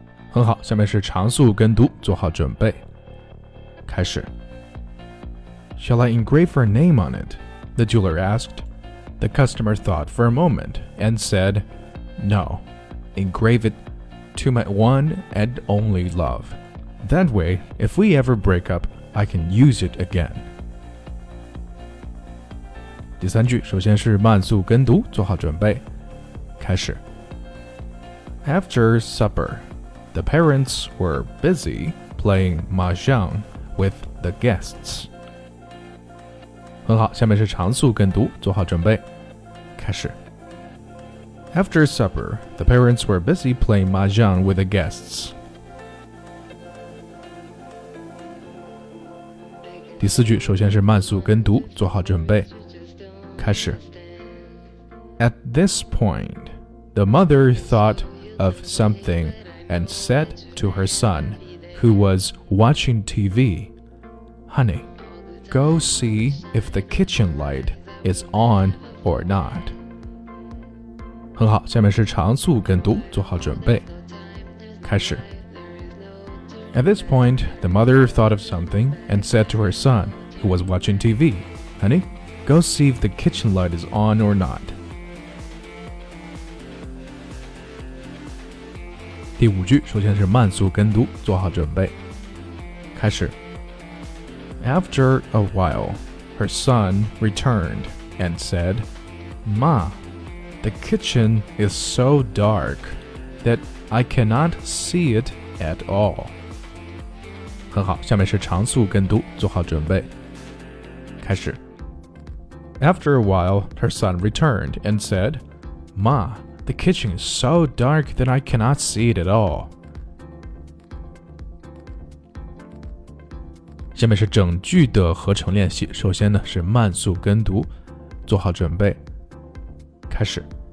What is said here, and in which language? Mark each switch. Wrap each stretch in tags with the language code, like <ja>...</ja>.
<zh>很好，下面是长速跟读，做好准备，开始。</zh> <en>Shall I engrave her name on it? The jeweler asked. The customer thought for a moment and said, No, engrave it to my one and only love. That way, if we ever break up, I can use it again.</en> <zh>第三句，首先是慢速跟读，做好准备，开始。</zh> <en>After supper, the parents were busy playing mahjong with the guests.</en> <zh>很好，下面是常速跟读，做好准备，开始。</zh> <en>After supper, the parents were busy playing mahjong with the guests.</en> <zh>第四句首先是慢速跟读，做好准备，开始。</zh> <en>At this point, the mother thought of something and said to her son, who was watching TV, Honey, go see if the kitchen light is on or not.</en> <zh>很好，下面是常速跟读，做好准备，开始。</zh> <en>At this point, the mother thought of something and said to her son, who was watching TV, Honey, go see if the kitchen light is on or not.</en> <zh>第五句，首先是慢速跟读，做好准备，开始。</zh> <en>After a while, her son returned and said, Ma,The kitchen is so dark that I cannot see it at all.</en> <zh>很好，下面是常速跟读，做好准备，开始。</zh> <en>After a while, her son returned and said, Ma, the kitchen is so dark that I cannot see it at all.</en> <zh>下面是整句的合成练习，首先呢是慢速跟读，做好准备，开始。</zh>